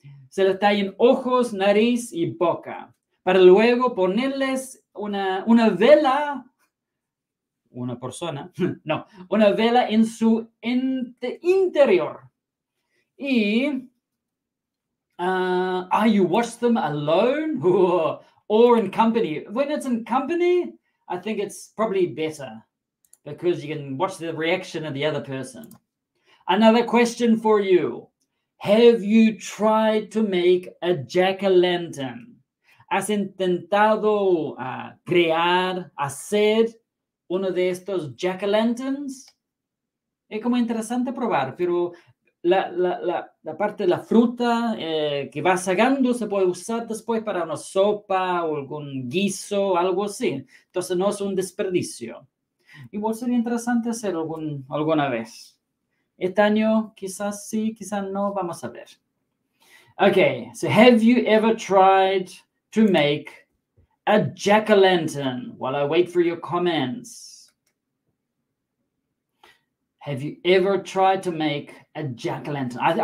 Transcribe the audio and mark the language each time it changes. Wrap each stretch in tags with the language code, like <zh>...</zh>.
<es>Se les tallan ojos, nariz y boca. Para luego ponerles una vela, una persona, no, una vela en su interior.</es> <en>Y, you watch them alone or in company? When it's in company, I think it's probably better because you can watch the reaction of the other person. Another question for you. Have you tried to make a jack-o'-lantern?</en> <es>¿Has intentado crear, hacer uno de estos jack-o'-lanterns? Es como interesante probar, pero la parte de la fruta que va sacando se puede usar después para una sopa o algún guiso o algo así. Entonces no es un desperdicio. Igual sería interesante hacer alguna vez. Este año, quizás sí, quizás no, vamos a ver.</es> <en>Okay, so have you ever tried to make a jack-o'-lantern while I wait for your comments? Have you ever tried to make a jack-o'-lantern?</en>